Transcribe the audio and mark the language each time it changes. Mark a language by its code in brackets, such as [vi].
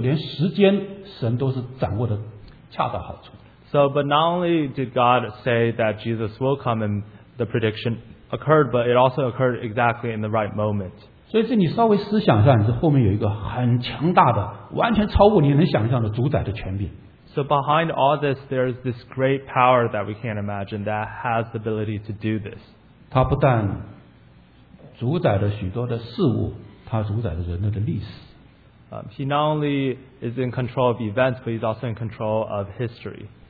[en] so, but not only did God say that Jesus will come and the prediction occurred, but it also occurred exactly in the right moment. [zh] 所以是你稍微思想一下，你是后面有一个很强大的，完全超过你能想象的主宰的权柄。 [en] So behind all this, there is this great power that we can't imagine that has the ability to do this. [zh] 它不但主宰了许多的事物，它主宰了人类的历史。 [en] He not only is in control of events, but he's also in control of history.